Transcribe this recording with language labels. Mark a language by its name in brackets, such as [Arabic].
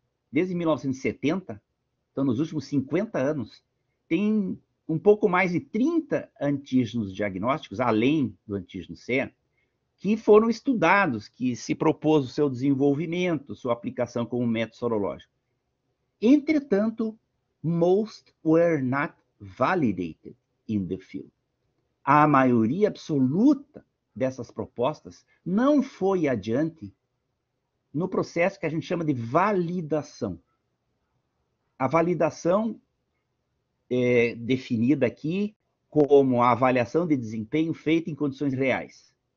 [Portuguese] desde 1970, então nos últimos 50 anos, tem um pouco mais de 30 antígenos diagnósticos, além do antígeno SEA, que foram estudados, que se propôs o seu desenvolvimento, sua aplicação como método sorológico. Entretanto, [English] most were not validated in the field. [Portuguese] A maioria absoluta dessas propostas não foi adiante no processo que a gente chama de validação. A validação é definida aqui como a avaliação de desempenho feita em condições reais.